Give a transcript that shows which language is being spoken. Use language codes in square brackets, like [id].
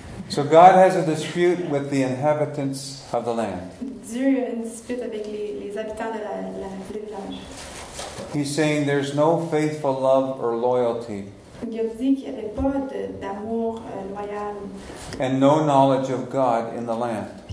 [en] So God has a dispute with the inhabitants of the land. [fr] Dieu a une dispute avec les habitants de la village. [en] He's saying there's no faithful love or loyalty. And no knowledge of God in the land.